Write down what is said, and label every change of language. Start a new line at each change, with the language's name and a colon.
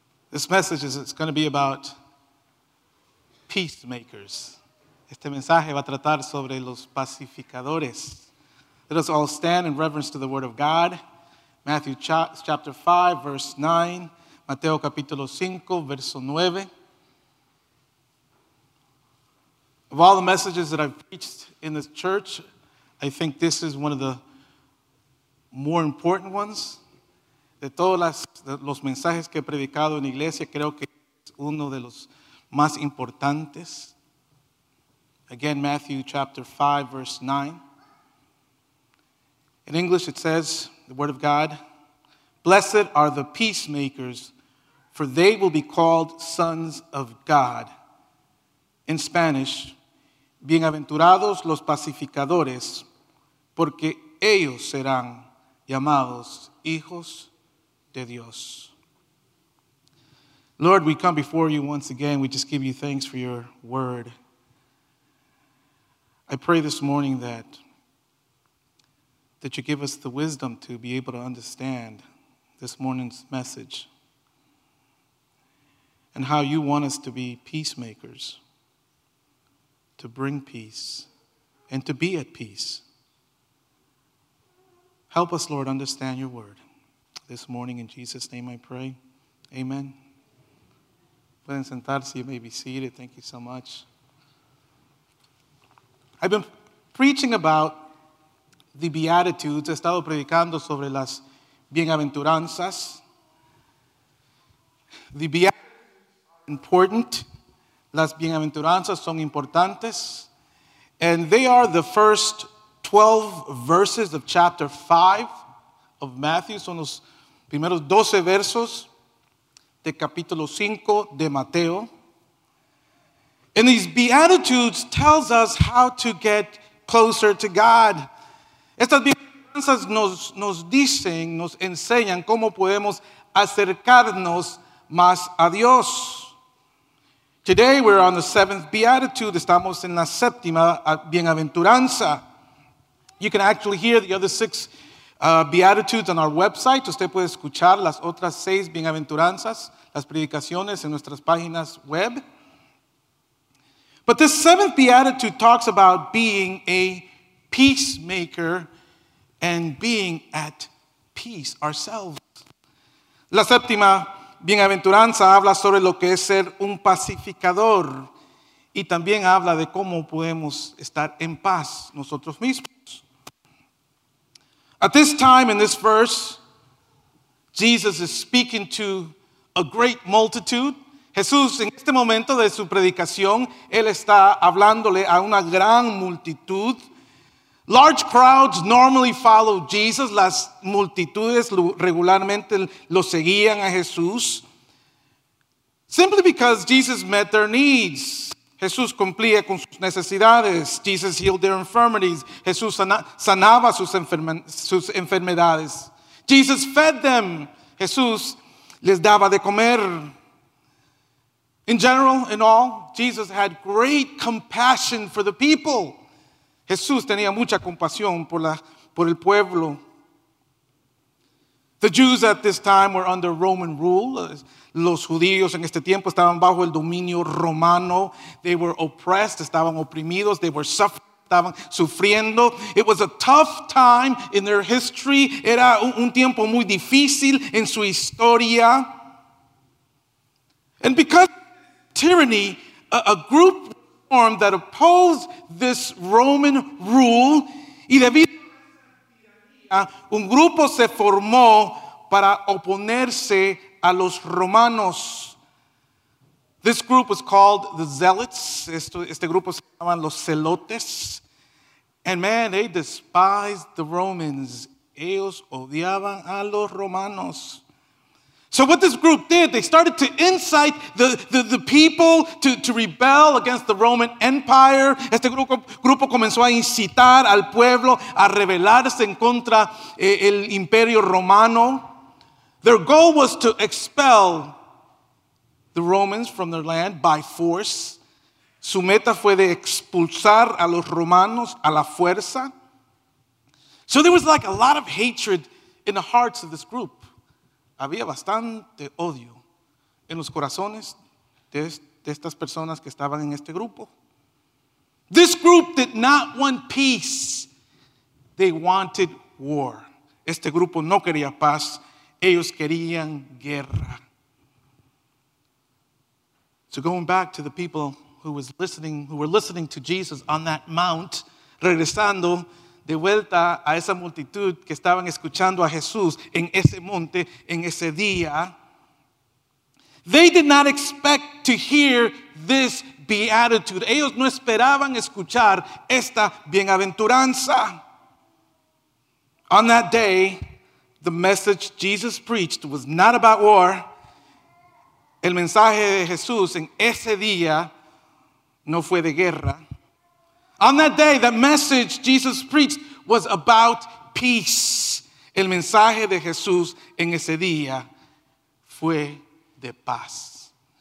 English: This message is going to be about peacemakers.
Spanish: Este mensaje va a tratar sobre los pacificadores.
English: Let us all stand in reverence to the word of God. Matthew chapter 5, verse 9.
Spanish: Mateo capítulo 5, verso 9.
English: Of all the messages that I've preached in this church, I think this is one of the more important ones.
Spanish: De todos los mensajes que he predicado en iglesia, creo que es uno de los más importantes.
English: Again, Matthew chapter 5, verse 9. In English, it says, the word of God, "Blessed are the peacemakers, for they will be called sons of God." In Spanish,
Spanish: "Bienaventurados los pacificadores, porque ellos serán llamados hijos de Dios."
English: Lord, we come before you once again. We just give you thanks for your word. I pray this morning that you give us the wisdom to be able to understand this morning's message and how you want us to be peacemakers, to bring peace, and to be at peace. Help us, Lord, understand your word. This morning, in Jesus' name I pray. Amen.
Spanish: Pueden sentarse,
English: you may be seated. Thank you so much. I've been preaching about the Beatitudes.
Spanish: He estado predicando sobre las bienaventuranzas.
English: The Beatitudes are important.
Spanish: Las bienaventuranzas son importantes.
English: And they are the first 12 verses of chapter 5 of Matthew.
Spanish: Son los primeros 12 versos de capítulo 5 de Mateo.
English: And these Beatitudes tells us how to get closer to God.
Spanish: Estas bienaventuranzas nos dicen, nos enseñan cómo podemos acercarnos más a Dios.
English: Today we're on the seventh Beatitude.
Spanish: Estamos en la séptima bienaventuranza.
English: You can actually hear the other six Beatitudes on our website.
Spanish: Usted puede escuchar las otras seis bienaventuranzas, las predicaciones en nuestras páginas web.
English: But this seventh Beatitude talks about being a peacemaker and being at peace ourselves.
Spanish: La séptima bienaventuranza habla sobre lo que es ser un pacificador y también habla de cómo podemos estar en paz nosotros mismos.
English: At this time in this verse, Jesus is speaking to a great multitude.
Spanish: Jesús, en este momento de su predicación, él está hablándole a una gran multitud.
English: Large crowds normally follow Jesus.
Spanish: Las multitudes regularmente lo seguían a Jesús.
English: Simply because Jesus met their needs.
Spanish: Jesús cumplía con sus necesidades.
English: Jesus healed their infirmities.
Spanish: Jesús sanaba sus enfermedades.
English: Jesus fed them.
Spanish: Jesús les daba de comer.
English: In general, in all, Jesus had great compassion for the people.
Spanish: Jesús tenía mucha compasión por el pueblo.
English: The Jews at this time were under Roman rule.
Spanish: Los judíos en este tiempo estaban bajo el dominio romano.
English: They were oppressed,
Spanish: estaban oprimidos.
English: They were suffering,
Spanish: estaban sufriendo.
English: It was a tough time in their history.
Spanish: Era un tiempo muy difícil en su historia.
English: And because tyranny, a group formed that opposed this Roman rule.
Spanish: Y debido, un grupo se formó para oponerse a los romanos.
English: This group was called the Zealots.
Spanish: Este grupo se llamaban los Zelotes.
English: And man, they despised the Romans.
Spanish: Ellos odiaban a los romanos.
English: So what this group did, they started to incite the people to rebel against the Roman Empire.
Spanish: Este grupo comenzó a incitar al pueblo a rebelarse en contra el Imperio Romano.
English: Their goal was to expel the Romans from their land by force.
Spanish: Su meta fue de expulsar a los romanos a la fuerza.
English: So there was like a lot of hatred in the hearts of this group.
Spanish: Había bastante odio en los corazones de estas personas que estaban en este grupo.
English: This group did not want peace. They wanted war.
Spanish: Este grupo no quería paz. Ellos querían guerra.
English: So going back to the people who was listening, who were listening to Jesus on that mount,
Spanish: regresando de vuelta a esa multitud que estaban escuchando a Jesús en ese monte, en ese día,
English: they did not expect to hear this beatitude.
Spanish: Ellos no esperaban escuchar esta bienaventuranza.
English: On that day, the message Jesus preached was not about war.
Spanish: El mensaje de Jesús en ese día no fue de guerra.
English: On that day, the message Jesus preached was about peace.
Spanish: El mensaje de Jesús en ese día fue de paz.